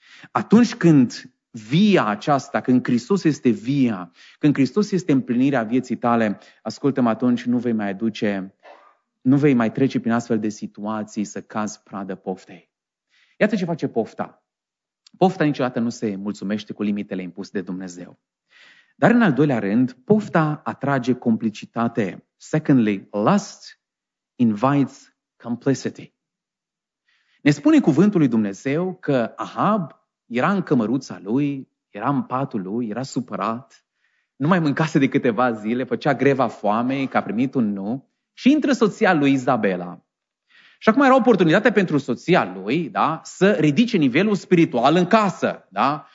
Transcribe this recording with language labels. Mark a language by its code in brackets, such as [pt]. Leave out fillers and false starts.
[ro] Atunci când via aceasta, când Hristos este via, când Hristos este împlinirea vieții tale, ascultă-mă, atunci nu vei mai aduce, nu vei mai trece prin astfel de situații să cazi pradă poftei. Iată ce face pofta. Pofta niciodată nu se mulțumește cu limitele impuse de Dumnezeu. Dar în al doilea rând, pofta atrage complicitate. [en] Secondly, lust invites complicity. [ro] Ne spune cuvântul lui Dumnezeu că Ahab era în cămăruța lui, era în patul lui, era supărat, nu mai mâncase de câteva zile, făcea greva foamei, că a primit un nu, și intră soția lui Izabela. Și acum era oportunitatea pentru soția lui, da, să ridice nivelul spiritual în casă. Da?